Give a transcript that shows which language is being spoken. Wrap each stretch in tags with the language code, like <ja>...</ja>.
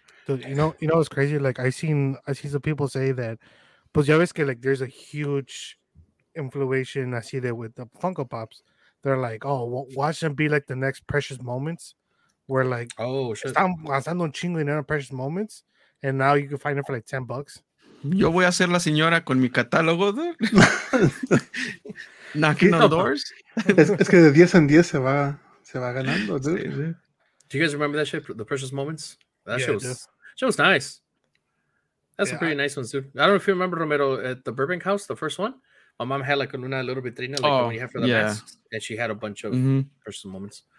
<en>You know, it's crazy. Like I seen some people say that,</en> <es>pues ya ves que</es> <en>like there's a huge inflation I see there with the Funko Pops. They're like, oh, well, watch them be like the next Precious Moments, where like, oh shit,</en> <es>están pasando un chingo dinero</es> <en>Precious Moments, and now you can find it for like $10.</en> <es>Yo voy a ser la señora con mi catálogo,</es> <en>knocking on doors.</en> <es>Es que de 10 en 10 se va ganando, dude.</es> <en>Do you guys remember that shit, the Precious Moments? That show was nice. That's a pretty nice one, too. I don't know if you remember Romero at the Burbank House, the first one. My mom had like a little vitrina, like the one you have for the mask, and she had a bunch of Precious Moments.</en>